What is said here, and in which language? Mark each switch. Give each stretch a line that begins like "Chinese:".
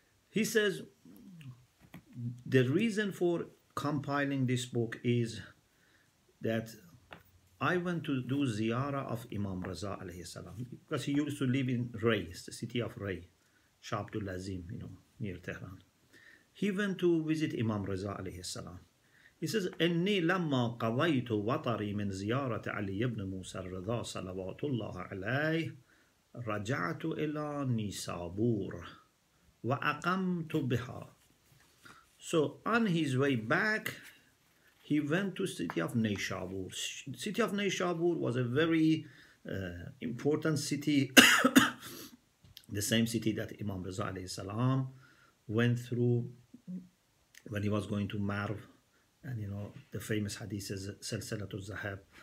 English: He says, the reason for compiling this book is that I went to do ziyara of Imam Raza alayhi salam, because he used to live in Ray, the city of Ray, Shah Abdul Azim, you know, near Tehran. He went to visit Imam Raza alayhi salam.
Arabic: He says, إني لما قضيت وطري من زيارة علي بن موسى الرضا صلوات الله عليه رجعت إلى نيسابور وأقمت بها.
English: So on his way back, He went to city of Neishabur. City of Neishabur was a very important city, the same city that Imam Reza alayhi salam went through when he was going to Marv, and you know the famous hadith is Salsalatul Zahab.